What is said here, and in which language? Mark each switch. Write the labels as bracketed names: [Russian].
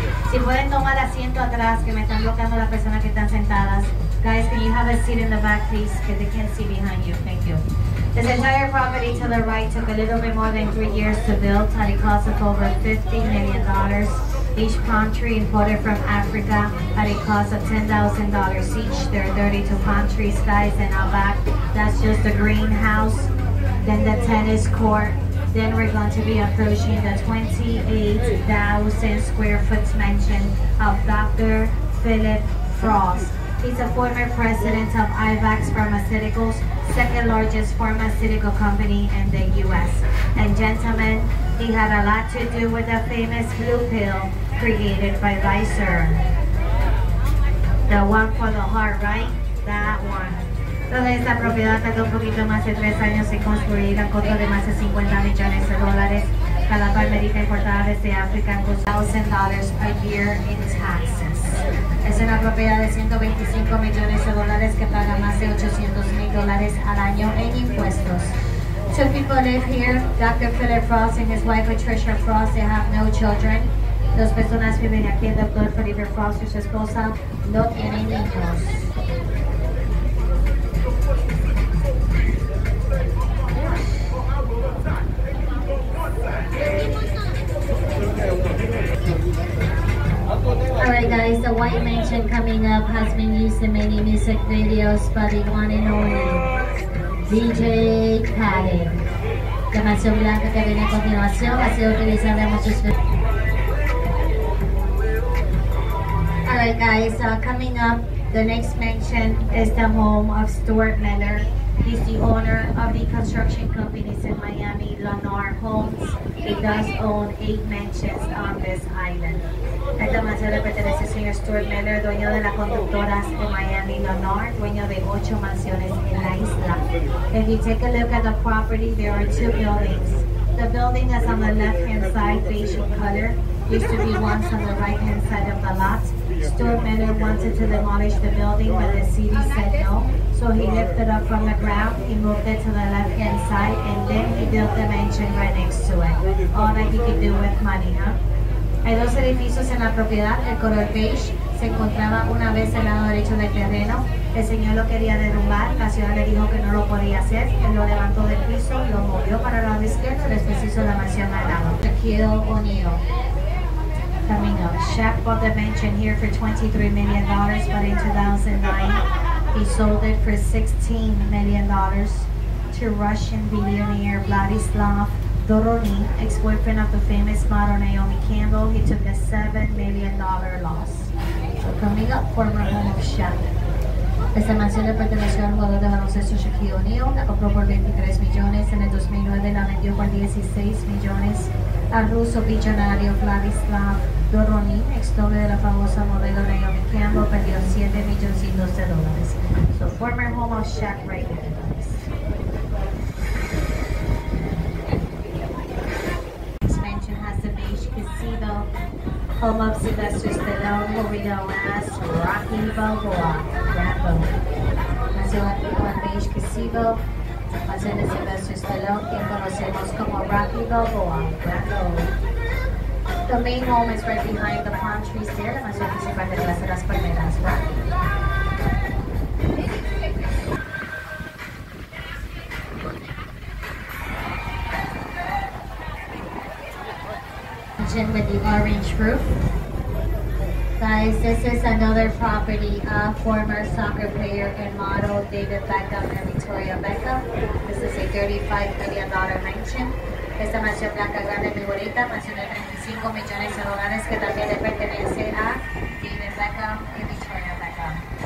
[Spanish] Si pueden tomar asiento atrás, que me están bloqueando las personas que están sentadas. [English] Guys, can you have a seat in the back, please? Because they can't see behind you. Thank you. This entire property to the right took a little bit more than 3 years to build, at a cost of over $50 million. Each palm tree imported from Africa at a cost of $10,000 each. There are 32 palm trees, guys, and out back. That's just the greenhouse, then the tennis court. Then we're going to be approaching the 28,000 square foot mansion of Dr. Phillip Frost. He's a former president of Ivax Pharmaceuticals, second largest pharmaceutical company in the U.S. And gentlemen, he had a lot to do with the famous blue pill created by Pfizer. The one for the heart, right? That one. [Spanish] Toda esta propiedad tardó un poquito más de 3 años en construir a costo de más de $50 million. Cada palmerita importada desde África costó $1,000 a year in taxes. Es una propiedad de $125 million que paga más de $800,000 al año en impuestos. [English] Two people live here, Dr. Phillip Frost and his wife Patricia Frost. [Spanish] They have no children. Dos personas viven aquí, el Dr. Felipe Frost y su esposa no tienen hijos. [English] Alright guys, the White Mansion coming up has been used in many music videos by the one and only DJ Khaled. [Spanish] La mansión blanca que viene a continuación ha sido utilizada en muchos videos. [English] Alright guys, coming up, the next mansion is the home of Stuart Miller. He's the owner of the construction companies in Miami, Lennar Homes. He does own 8 mansions on this island. [Spanish] Esta mansión le pertenece al señor Stuart Miller, dueño de las constructoras de Miami, Lennar, dueño de 8 mansiones en la isla. [English] If you take a look at the property, there are 2 buildings. The building is on the left-hand side, beige in color. Used to be once on the right-hand side of the lot. Stuart Miller wanted to demolish the building, but the city said no. So he lifted up from the ground, he moved it to the left-hand side, and then he built the mansion right next to it. All that he could do with money, huh? [Spanish] Hay dos edificios en la propiedad. El color beige se encontraba una vez al lado derecho del terreno. El señor lo quería derrumbar. La ciudad le dijo que no lo podía hacer. Él lo levantó del piso, lo movió para el lado izquierdo y después hizo la mansión al lado. Shaquille unido. [English] Coming up, Shaq bought the mansion here for $23 million, but in 2009, he sold it for $16 million to Russian billionaire Vladislav Doronin, ex-boyfriend of the famous model Naomi Campbell. He took a $7 million loss. So coming up, former home of Shaq. [Spanish] Esta mansión le perteneció al jugador de baloncesto Shaquille O'Neal. La compró por $23 millones. En el 2009 la vendió por $16 millones al ruso billonario Vladislav Doronin, ex novio de la famosa modelo Naomi Campbell, perdió $7,000,000. [English] So former home of Shaq right here. This mansion has a beige casino, home of Sylvester Stallone, who we know as Rocky Balboa. Rambo. [Spanish] Mansión beige casino, mansión de Sylvester Stallone, quien conocemos como Rocky Balboa. Rambo. [English] The main home is right behind the palm trees there. [Spanish] La mansión principal de las palmeras, right? Hello, guys. [English] Welcome to the mansion with the orange roof. Guys, this is another property of former soccer player and model David Beckham and Victoria Beckham. This is a $35 million mansion. [Spanish] Esta mansión blanca grande muy bonita, mansión de $35 millones, que también le pertenece a David Beckham y Victoria Beckham.